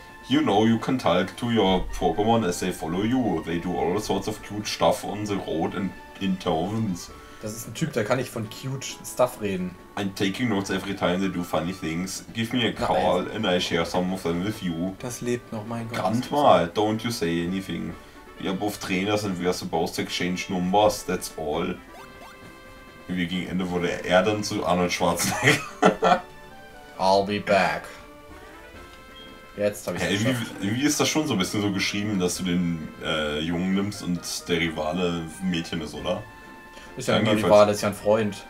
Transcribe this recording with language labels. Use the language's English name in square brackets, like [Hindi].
[English] You know, you can talk to your Pokémon as they follow you. They do all sorts of cute stuff on the road and in towns. [German] Das ist ein Typ, da kann ich von [English] cute stuff [German] reden. [English] I'm taking notes every time they do funny things. Give me a call and I share some of them with you. [German] Das lebt noch, mein Gott. [English] Grandma, don't you say anything. We are both trainers and we are supposed to exchange numbers, that's all. [German] Wie gegen Ende wurde er dann zu Arnold Schwarzenegger. [English] I'll be back. [German] Jetzt habe ich es geschafft. Wie ist das schon so ein bisschen so geschrieben, dass du den Jungen nimmst und der Rivale Mädchen ist, oder? Ist ja ein Rivale, ist ja ein Freund.